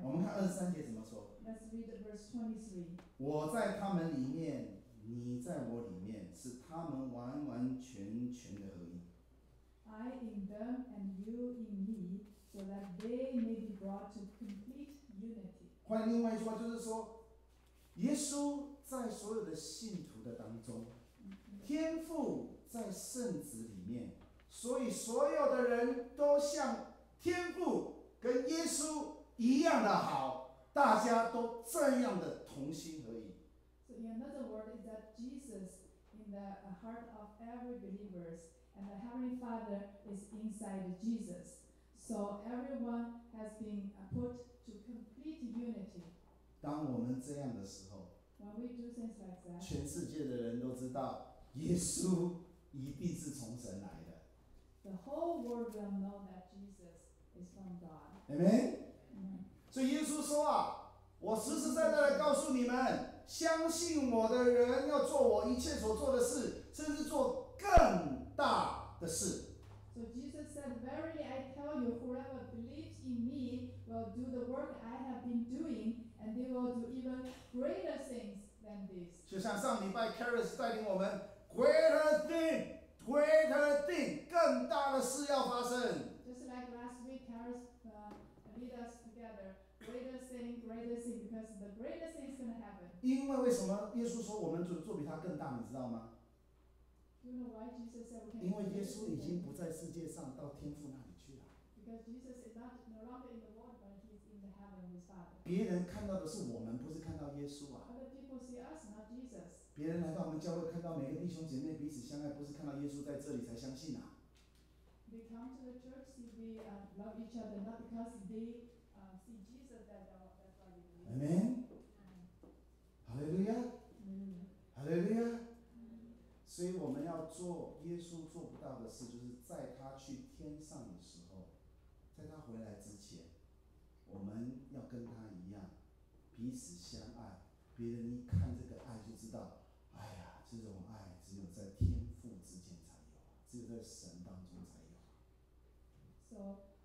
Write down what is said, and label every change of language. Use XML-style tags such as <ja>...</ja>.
<zh>我们看二十三节怎么说</zh> <en>？Let's read verse 23.</en> <zh>我在他们里面，你在我里面，是他们完完全全的合一。</zh> <en>I in them and you in me, so that they may be brought to complete unity.</en> <zh>换另外一句话，就是说，耶稣在所有的信徒的当中，天父在圣子里面，所以所有的人都像天父跟耶稣一样的好，大家都这样的同心合一。</zh> <en>So in another word is that Jesus in the heart of every believers. And the Heavenly Father is inside Jesus. So everyone has been put to complete unity.</en> <zh>当我们这样的时候</zh> <en>When we do things like that,</en> <zh>全世界的人都知道耶稣一定是从神来的。</zh> <en>The whole world will know that Jesus is from God. Amen?</en> <zh>所以耶稣说啊，我实实在在地告诉你们，相信我的人要做我一切所做的事，甚至做更大的事。</zh> <en>So Jesus said, Verily I tell you, whoever believes in me will do the work I have been doing, and they will do even greater things than this.</en> <zh>就像上礼拜 Caris 带领我们 ，</zh> <en>Greater thing, greater thing,</en> <zh>更大的事要发生。</zh> <en>Just like last week, Caris lead us together. Greater thing, because the greatest thing is going to happen.</en> <zh>因为什么？耶稣说我们做比他更大，你知道吗？</zh> <en>You know why Jesus said we can do</en> <zh>因为耶稣已经不在世界上，到天父那里去了。</zh> <en>Because Jesus is not no longer in the world, but he's in the heaven with Father.</en> <zh>别人看到的是我们，不是看到耶稣啊。</zh> <en>Other people see us, not Jesus.</en> <zh>别人来到我们教会，看到每个弟兄姐妹彼此相爱，不是看到耶稣在这里才相信啊。</zh> <en>They come to the church, see we love each other, not because they. See Jesus that So we have to do Jesus not do the thing, is when He goes to heaven, before He comes back, we have to be like Him, love each other, so others can see this love, and know, this love is only in the Father, only in the Son, only in the Holy Spirit, only in the Lord.</en>